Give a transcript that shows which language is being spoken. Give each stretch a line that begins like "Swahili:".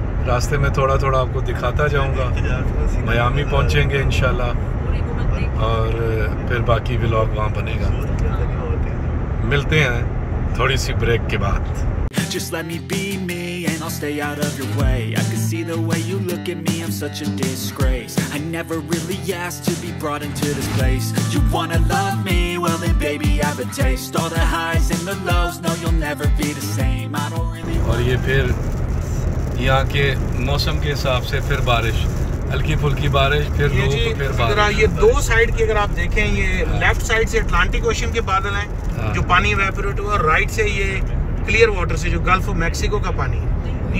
Hindi: रास्ते में थोड़ा थोड़ा आपको दिखाता जाऊंगा, मायामी पहुंचेंगे इंशाल्लाह और फिर बाकी व्लॉग वहाँ बनेगा। मिलते हैं थोड़ी सी ब्रेक के बाद।
English: Just let me be me and I'll stay out of your way. I can see the way you look at me, I'm such a disgrace. I never really asked to be brought into this place. You wanna love me, well then baby I have a taste. All the highs and the lows, no you'll never be the same. I don't really want...
Hindi: और ये फिर यहाँ के मौसम के हिसाब से फिर बारिश, हल्की फुल्की बारिश, फिर लो, तो फिर बारिश। ये दो साइड की अगर आप देखें, ये लेफ्ट साइड से अटलांटिक ओशन के बादल हैं जो पानी इवेपोरेट हुआ, और राइट से ये क्लियर वाटर से जो गल्फ ऑफ मेक्सिको का पानी है।